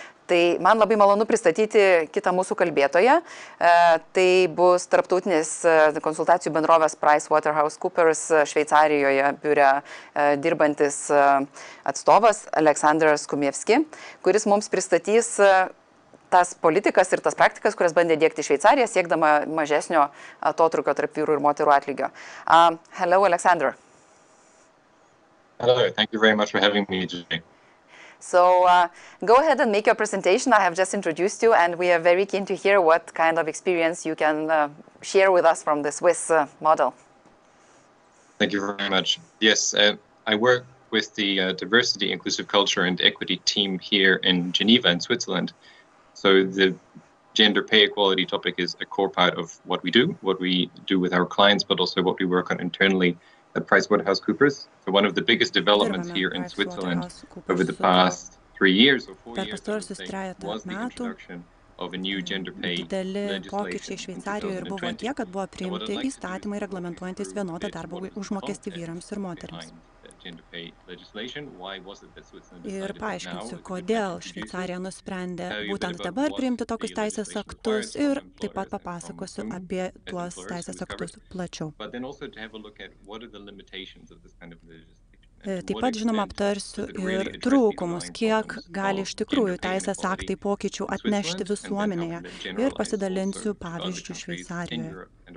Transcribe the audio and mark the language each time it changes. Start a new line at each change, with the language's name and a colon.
Lithuanian: Tai man labai malonu pristatyti kitą mūsų kalbėtoją. Tai bus tarptautinės konsultacijų bendrovės PricewaterhouseCoopers Šveicarijoje biure dirbantis atstovas Aleksandras Kumievski, kuris mums pristatys tas politikas ir tas praktikas, kurias bandė dėkti Šveicariją, siekdama mažesnio atotrukio tarp vyrų ir moterų atlygio.
English: Hello, Aleksandr. Hello, thank you very much for having me today. So go ahead and make your presentation. I have just introduced you and we are very keen to hear what kind of experience you can share with us from the Swiss model. Thank you very much. Yes, I work with the Diversity, Inclusive Culture and Equity team here in Geneva in Switzerland. So the gender pay equality topic is a core part of what we do with our clients, but also what we work on internally at PricewaterhouseCoopers. So one of the biggest developments here in Switzerland over the past 3 years or 4 years, I would say, was the introduction of a new gender pay legislation in 2020. And what I'd like to do is to look at what is the context behind gender pay legislation, why was it that Switzerland
Lithuanian: ir paaiškinsiu, kodėl Šveicarija nusprendė būtent dabar priimti tokius teisės aktus ir taip pat papasakosiu apie tuos teisės aktus plačiau. Taip pat, žinoma, aptarsiu ir trūkumus, kiek gali iš tikrųjų teisės aktai pokyčių atnešti visuomenėje ir pasidalinsiu pavyzdžių Šveicarijoje.